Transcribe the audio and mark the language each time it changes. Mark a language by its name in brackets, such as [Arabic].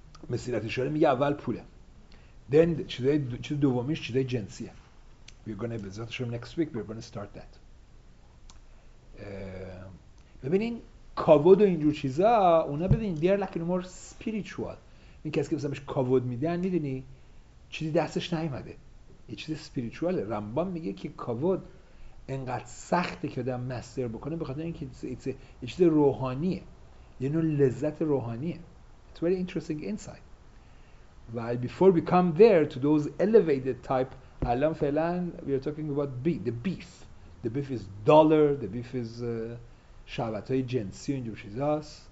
[Persian] مسیرت اشاره میگه اول پوله. [English] Then [Persian] چیز دومیش چیز جنسیه. [English] We're gonna be that from next week. We're gonna start that. [Persian] ببینین کاود و اینجور چیزا اونا ببینین [English] they're like more spiritual. [Persian] این کسی که مثلا بهش کاود میدن میدونی چیزی دستش نیومده. یه چیز spirituale. رمبان میگه که کاود انقدر سخته که آدم مستر بکنه به خاطر اینکه یه چیز روحانیه. یه نوع لذت روحانیه. [English] It's very interesting insight. While before we come there to those elevated type, [Persian] الان فعلا [English] we are talking about beef. The beef. The beef is dollar. The beef is [Persian] شهوت‌های جنسی و اینجور چیزاست.